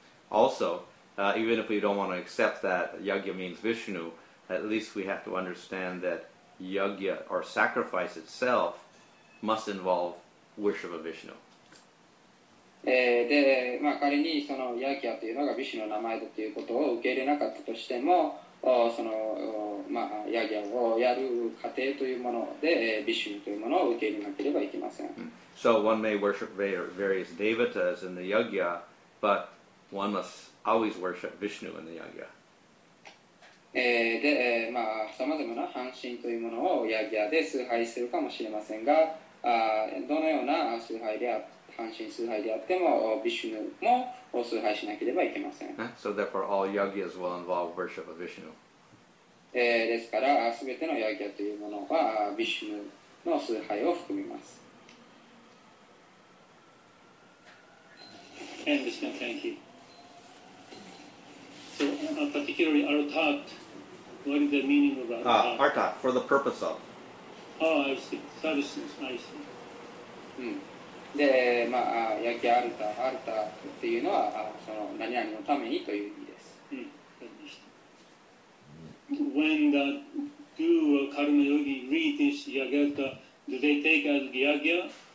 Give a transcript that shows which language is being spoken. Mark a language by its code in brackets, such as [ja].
[en] Also, even if we don't want to accept that yagya means Vishnu, at least we have to understand that yagya or sacrifice itself must involve worship of Vishnu. [ja] で、まあ、仮にそのヤギャというのがヴィシュヌの名前だということを受け入れなかったとしても、その、まあ、ヤギャをやる過程というもので、ヴィシュヌというものを受け入れなければいけません。 [en] So one may worship various devatas in the yagya, butOne must always worship Vishnu in the yagya. [ja] で、まあ、さまざまな半身というものをヤギャで崇拝するかもしれませんが、どのような崇拝であ、半身崇拝であっても、ヴィシュヌも崇拝しなければいけません。 [en] So therefore, all yagyas will involve worship of Vishnu. [ja] ですから、すべてのヤギャというものはヴィシュヌの崇拝を含みます。 [en] And Mr. Thank you. So, particularly artat, what is the meaning of artat? Artat, for the purpose of. Oh, I see. Services, I see. [ja] で、まあ、ヤギアルタ、アルタっていうのは、その何々のためにという意味です。 [en] When the do karma yogi read this yagyata, do they take as yagya?